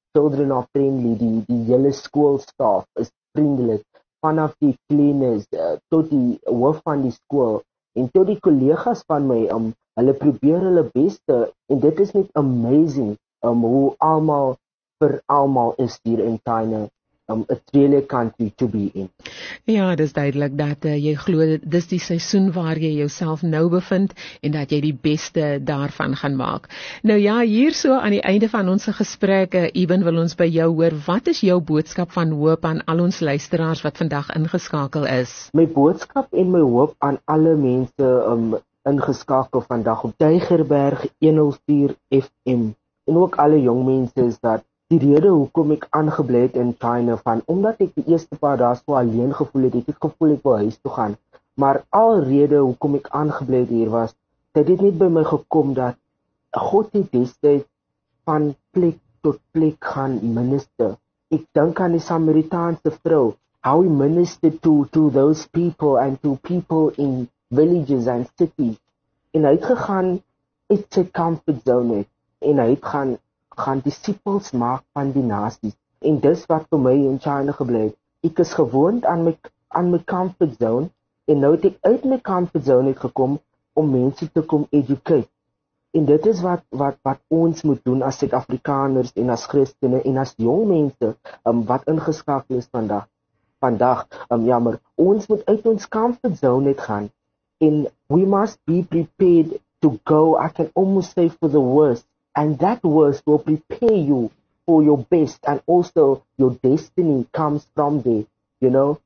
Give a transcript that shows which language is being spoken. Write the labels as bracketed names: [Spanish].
[English] Children are friendly, [Afrikaans] die hele school staff is vriendelik, vanaf die cleaners, tot die hoof van die school, en tot die collega's van my, hulle probeer hulle beste, en dit is net amazing, hoe almal vir almal is hier in China. [English] It's really a country to be in. [Afrikaans] Ja, dis duidelik dat jy glo dis die seisoen waar jy jouself nou bevind en dat jy die beste daarvan gaan maak. Nou ja, hier so aan die einde van ons gesprek, Eben, wil ons by jou hoor, wat is jou boodskap van hoop aan al ons luisteraars wat vandag ingeskakel is? My boodskap en my hoop aan alle mense ingeskakel vandag op Tygerberg 104 FM en ook alle jong mense is dat die rede hoekom ek aangebly het in China, van omdat ek die eerste paar dae so alleen gevoel het, het ek gevoel ek wil huis toe gaan. Maar al rede hoekom ek aangebly het hier was, dit het net by my gekom dat God het destyd van plek tot plek gaan minister. Ek dink aan die Samaritaanse vrou [English] how he ministered to those people and to people in villages and cities. [Afrikaans] En hy het gegaan uit sy comfort zone uit, en hy het gaan disciples maak van die nasies. En dis wat vir my in China gebly het. Ek is gewoond aan my comfort zone, en nou het ek uit my comfort zone uit gekom om mense te kom educate. En dit is wat ons moet doen as Suid-Afrikaners en as Christene en as jong mense wat ingeskakel is vandag. Jammer, ons moet uit ons comfort zone uit gaan. [English] And we must be prepared to go, I can almost say, for the worst. And that worst will prepare you for your best. And also, your destiny comes from there, you know.